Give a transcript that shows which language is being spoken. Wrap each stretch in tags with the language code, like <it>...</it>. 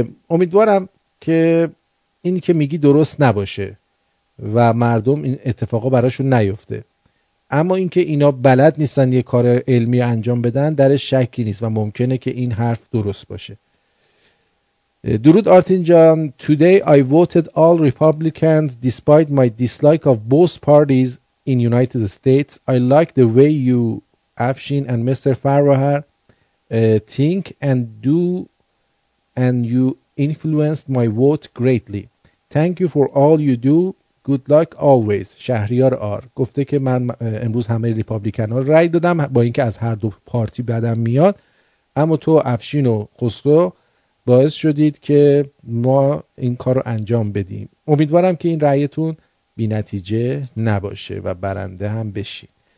<fa>امیدوارم که این که میگی درست نباشه و مردم این اتفاقا براشون نیفته، اما این که اینا بلد نیستن یه کار علمی انجام بدن درش شکی نیست و ممکنه که این حرف درست باشه. درود آرتین جان.</fa> <en>Today I voted all Republicans despite my dislike of both parties in United States. I like the way you, Afshin and Mr. Farrahar think and do and you influenced my vote greatly. Thank you for all you do. Good luck always.</en> <fa>شهریار آر گفته که من امروز همه ریپابلیکن‌ها رو رأی دادم با اینکه از هر دو پارتی بدم میاد، اما تو افشین و خسرو باعث شدید که ما این کار رو انجام بدیم. امیدوارم که این رأیتون بی نتیجه نباشه و برنده هم بشید.</fa>